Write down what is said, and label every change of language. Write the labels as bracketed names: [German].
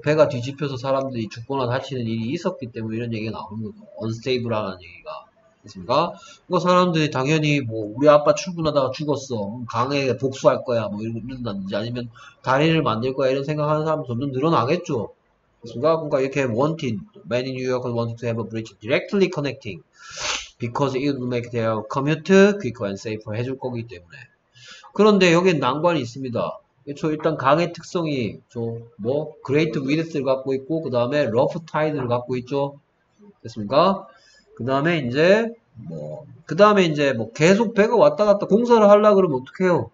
[Korean] 배가 뒤집혀서 사람들이 죽거나 다치는 일이 있었기 때문에 이런 얘기가 나오는 거죠. Unstable라는 얘기가. 그니까 뭐 사람들이 당연히 뭐 우리 아빠 출근하다가 죽었어. 강에 복수할 거야. 뭐 이런다든지 아니면 다리를 만들 거야. 이런 생각하는 사람 점점 늘어나겠죠. 그니까 이렇게 [English] wanted many New Yorkers wanted to have a bridge directly connecting. Because it would make their commute quicker and safer [Korean] 해줄 거기 때문에. 그런데 여긴 난관이 있습니다. 저 일단 강의 특성이 저뭐 great width를 갖고 있고 그 다음에 rough tide를 갖고 있죠. 됐습니까? 그 다음에 이제 뭐그 다음에 이제 뭐 계속 배가 왔다 갔다 공사를 하려고 그러면 어떡해요?